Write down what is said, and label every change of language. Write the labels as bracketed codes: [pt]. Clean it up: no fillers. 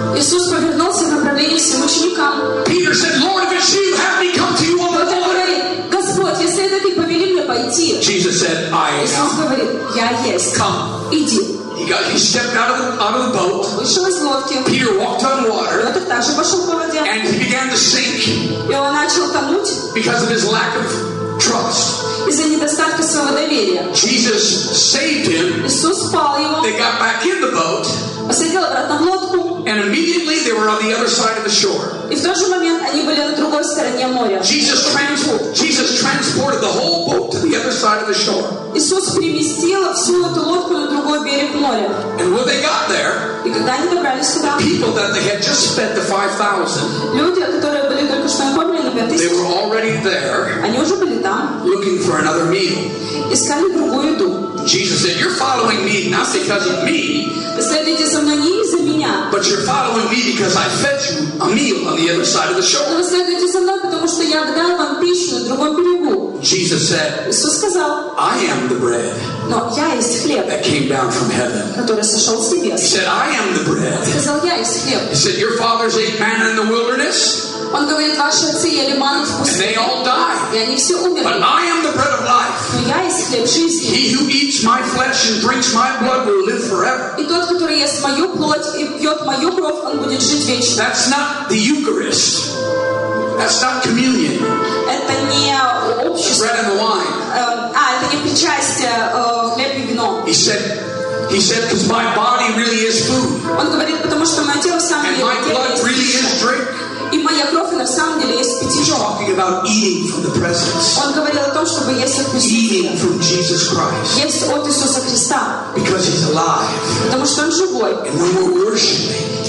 [ru] Иисус повернулся в направлении всем ученикам. [en] Peter said, "Lord, if it's you, have me come to you on the water." [ru] Господь, если это ты, повели мне пойти. [en] Jesus said, "I am." [ru] Иисус говорит, я есть. [en] Come. [ru] Иди. [en] He stepped out of the boat. [ru] Вышел из лодки. [en] Peter walked on water. [ru] Этот также вошел по воде. [en] And he began to sink. [ru] И он начал тонуть. [en] Because of his lack of [ru] из-за недостатка своего доверия. [en] Jesus saved him. [ru] Иисус спал его. [en] They got back in the boat. [ru] Посадил обратно в лодку. [en] And immediately they were on the other side of the shore. [ru] И в тот же момент они были на другой стороне моря. [en] Jesus transported the whole boat to the other side of the shore. [ru] Иисус переместил всю эту лодку на другой берег моря. [en] And when they got there, [ru] и когда они добрались туда, [en] the people that they had just fed the 5,000, [ru] люди, которые были только что накормлены 5,000, [en] they were already there. [ru] Они уже были там. [en] Looking for another meal. [ru] Искали другую еду. [en] Jesus said, "You're following me not because of me, [ru] следуйте за мной не из-за меня, [en] but you're following me because I fed you a meal on the other side of the shore." [ru] Но следуйте за мной, потому что я дал вам пищу на другом берегу. [en] Jesus said, [ru] Иисус сказал, [en] "I am the bread." [ru] Но я есть хлеб. [en] That came down from heaven. [ru] Который сошел с небес. [en] He said, "I am the bread." [ru] Сказал, я есть хлеб. [en] He said, "Your fathers ate manna in the wilderness." [ru] Он говорит, ваши отцы ели ману в пустыне. [en] And they all died. [ru] И они все умерли. [en] But I am the bread of life. [ru] Но я есть хлеб жизни. [en] He who eats my flesh and drinks my blood will live forever. [ru] И тот, который ест мою плоть и пьет мою кровь, он будет жить вечно. [en] That's not the Eucharist. That's not communion. [ru] Это не общество. [en] Bread and wine. [ru] Это не причастие, хлеб и вино. [en] He said, "Because my body really is food." [ru] Он говорит, потому что мое тело самое. [en] And my blood really is drink. [ru] И моя кровь, и на самом деле, есть питье. [en] Talking about eating from the presence. [ru] Он говорил о том, чтобы есть от Иисуса. [en] Eating from Jesus Christ. [ru] Есть от Иисуса Христа. [en] Because he's alive. [ru] Потому что он живой. [en] And when we're worshiping.